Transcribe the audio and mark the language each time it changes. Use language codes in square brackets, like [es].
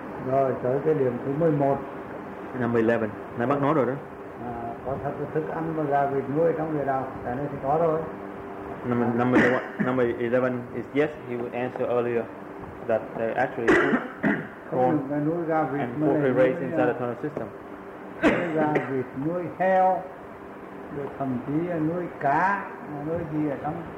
[vi] Rồi tới cái điểm thứ 11. [en] Number 11. [vi] Nãy bác nói rồi đó. Có thật là thức ăn và gà vịt nuôi trong địa đạo, tại đây thì có rồi. [en] Number 11 is yes, he would answer earlier that they actually [vi] nuôi gà vịt [en] and poultry raised inside the tunnel system. [vi] Gà vịt nuôi heo, rồi thậm chí nuôi cá, nuôi gì ở trong.